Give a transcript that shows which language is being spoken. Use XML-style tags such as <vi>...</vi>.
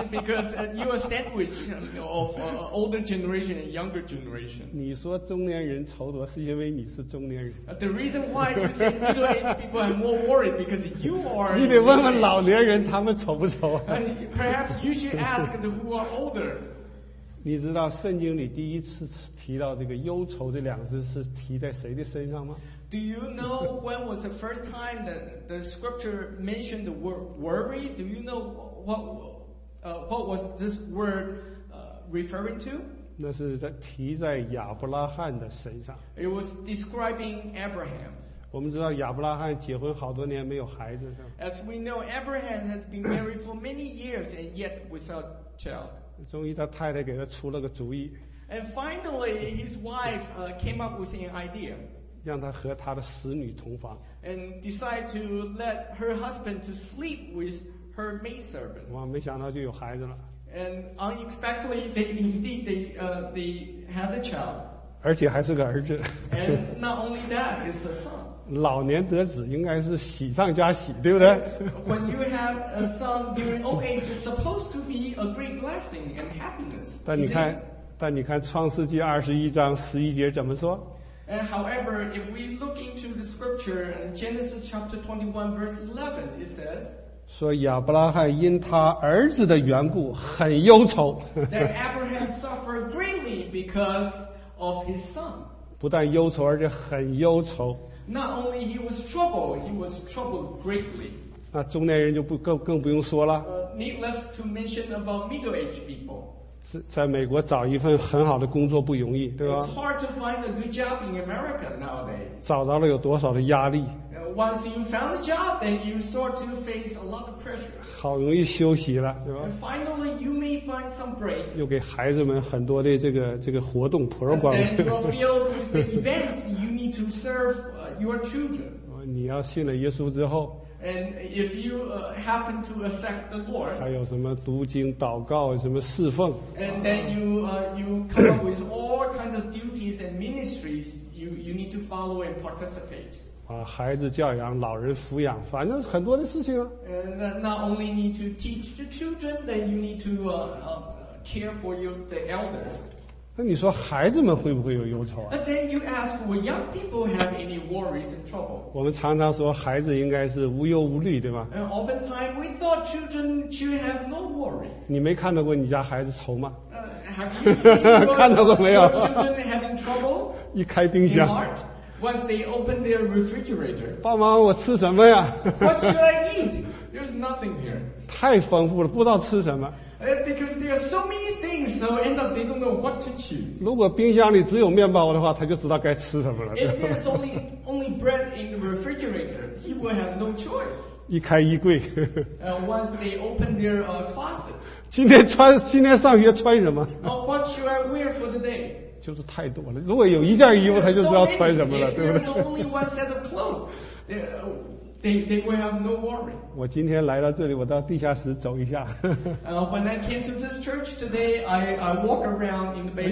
<en>Middle-aged, because you are sandwich of older generation and younger generation.</en> <zh>你说中年人愁多，是因为你是中年人。</zh> <en>The reason why you say middle-aged people are more worried because you are.</en> <zh>你得问问老年人他们愁不愁啊。</zh> <en>Perhaps you should ask who are older.</en> <zh>你知道圣经里第一次提到这个忧愁这两个字是提在谁的身上吗？</zh> <en>Do you know when was the first time that the scripture mentioned the word worry? Do you know what was this word referring to?</en> <zh>那是提在亚伯拉罕的身上。</zh> <en>It was describing Abraham.</en> <zh>我们知道亚伯拉罕结婚好多年没有孩子。</zh> <en>As we know, Abraham has been married for many years and yet without child.</en> <zh>终于他太太给他出了个主意。</zh> <en>And finally, his wife came up with an idea.</en> <zh>让他和他的使女同房</zh> <en>and decide to let her husband to sleep with her maidservant.</en> <zh>哇，没想到就有孩子了</zh> <en>and unexpectedly they had a child.</en> <zh>而且还是个儿子</zh> <en>and not only that, it's a son.</en> <zh>老年得子应该是喜上加喜，对不对？</zh> <en>When you have a son during old age, it's supposed to be a great blessing and happiness.</en> <zh>但你看创世纪二十一章十一节怎么说？</zh> <en>And however, if we look into the scripture, Genesis chapter 21, verse 11, it says,</en> <zh>说亚伯拉罕因他儿子的缘故很忧愁。</zh> <en>That Abraham suffered greatly because of his son.</en> <zh>不但忧愁，而且很忧愁。</zh> <en>Not only he was troubled greatly.</en> <zh>那中年人就更不用说了。</zh> <en>Needless to mention about middle-aged people.</en> <zh>在美国找一份很好的工作不容易，对吧？</zh> <en>It's hard to find a good job in America nowadays.</en> <zh>找到了有多少的压力？</zh> <en>Once you found a job, then you start to face a lot of pressure.</en> <zh>好容易休息了，对吧？</zh> <en>And finally, you may find some break.</en> <zh>又给孩子们很多的这个活动 program.</zh> <en>And then you'll feel with the events you need to serve your children.</en> <zh>你要信了耶稣之后。</zh> <en>And if you happen to accept the Lord,</en> <zh>还有什么读经、祷告、什么侍奉</zh> <en>？And then you come up with all kinds of duties and ministries you need to follow and participate.</en> <zh>啊，孩子教养、老人抚养，反正很多的事情啊。</zh> <en>And not only need to teach the children, then you need to care for the elders.</en> <zh>那你说孩子们会不会有忧愁啊？</zh> <en>But then you ask, will young people have any worries and trouble?</en> <zh>我们常常说孩子应该是无忧无虑，对吧？</zh> <en>And oftentimes we thought children should have no worry.</en> <zh>你没看到过你家孩子愁吗？</zh> <en>Have you seen your children having trouble?</en> <zh>一开冰箱。</zh> <en>In heart, once they open their refrigerator.</en> <zh>爸妈，我吃什么呀？</zh> <en>What should I eat? There's nothing here.</en> <zh>太丰富了，不知道吃什么。</zh> <en>Because there are so many things, so end up they don't know what to choose.</en> <zh>如果冰箱里只有面包的话，他就知道该吃什么了。</zh> <en>If there's only bread in the refrigerator, he will have no choice.</en> <zh>一开衣柜。</zh> <en>Once they open their closet.</en> <zh>今天上学穿什么？</zh> <en>What should I wear for the day?</en> <zh>就是太多了。如果有一件衣服，他就知道穿什么了，对不对？</zh> <en>There's only one set of clothes. They will have no worry.</en> <zh>我今天来到这里，我到地下室走一下。</zh> <en>When I came to this church today, I walk around in the basement.</en>